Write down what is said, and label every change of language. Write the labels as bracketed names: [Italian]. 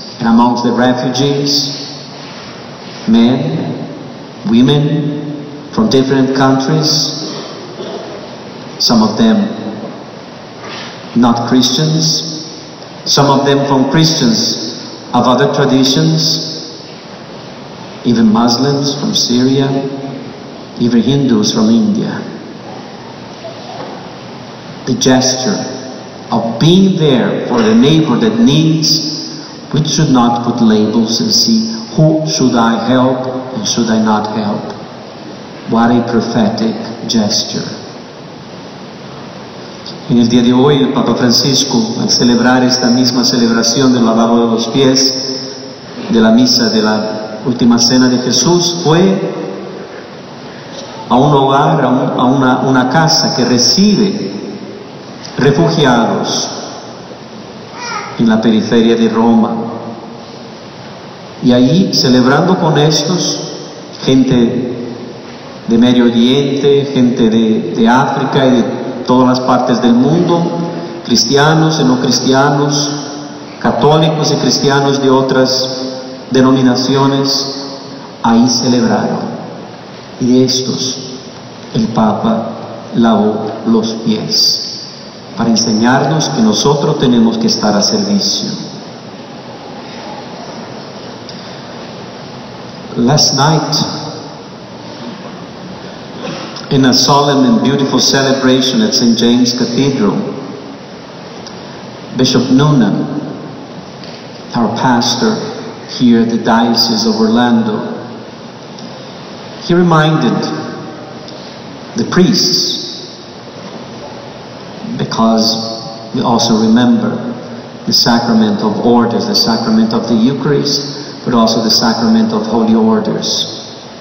[English] And amongst the refugees, men, women from different countries, some of them not Christians, some of them from Christians of other traditions, even Muslims from Syria, even Hindus from India. The gesture of being there for the neighbor that needs, we should not put labels and see who should I help and should I not help. What a prophetic gesture. [Portuguese] E no dia de hoje, Papa Francisco, ao celebrar esta mesma celebração do lavado dos pés, da missa da última cena de Jesus, foi a um hogar, a uma casa que recebe refugiados na periferia de Roma. E aí, celebrando com estes, gente [Spanish] de Medio Oriente, gente de África y de todas las partes del mundo, cristianos y no cristianos, católicos y cristianos de otras denominaciones, ahí celebraron. Y de estos, el Papa lavó los pies para enseñarnos que nosotros tenemos que estar a servicio. [English] Last night, in a solemn and beautiful celebration at St. James Cathedral, Bishop Noonan, our pastor here at the Diocese of Orlando, he reminded the priests, because we also remember the sacrament of orders, the sacrament of the Eucharist, but also the sacrament of holy orders.